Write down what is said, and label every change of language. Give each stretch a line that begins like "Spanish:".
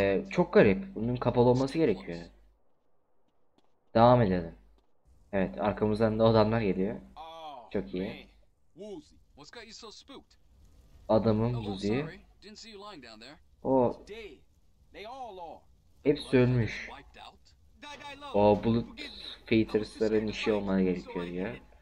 Turkish: Çok garip. Bunun kapalı olması gerekiyor. Devam edelim. Evet arkamızdan da adamlar geliyor. Çok iyi.
English: What's got you so spooked?
Turkish: Adamım bu diye.
English: Didn't see you lying down there. Oh. Dead. They all are.
Turkish: Hepsi ölmüş. O bullet feeders'ların işi olmalı gerekiyor ya.